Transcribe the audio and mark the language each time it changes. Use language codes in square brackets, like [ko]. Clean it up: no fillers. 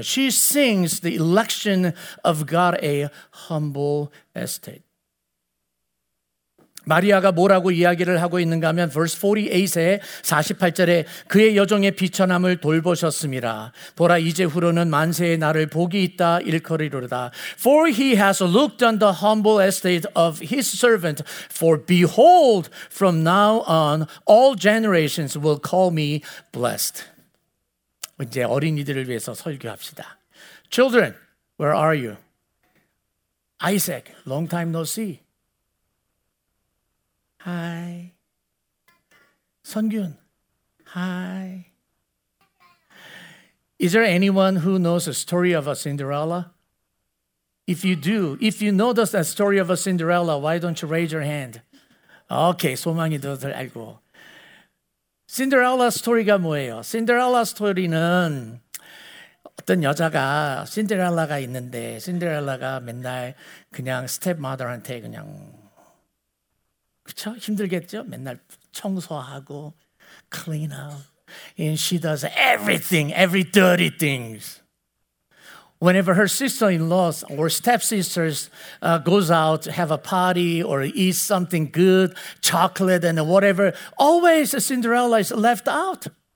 [en] She sings the election of God a humble estate. [ko] 마리아가 뭐라고 이야기를 하고 있는가 하면 [en] verse 48 [ko] 에 48절에 그의 여종의 비천함을 돌보셨습니다. 보라 이제후로는 만세의 나를 복이 있다 일컬으리로다. [en] For he has looked on the humble estate of his servant. For behold, from now on all generations will call me blessed. [ko] 이제 어린이들을 위해서 설교합시다. [en] Children, where are you? Isaac, long time no see. Hi. 선균. Hi. Is there anyone who knows the story of a Cinderella? If you do, if you know the story of a Cinderella, why don't you raise your hand? [ko] Okay, 소망이들 알고. Cinderella 스토리가 뭐예요? Cinderella 스토리는 어떤 여자가 신데렐라가 있는데 신데렐라가 맨날 그냥 스텝마더한테 그냥 그렇죠? 힘들겠죠? 맨날 청소하고 [en] clean up. And she does everything, every dirty things. whenever her sister-in-laws or stepsisters goes out to have a party or eat something good, chocolate and whatever, always Cinderella is left out.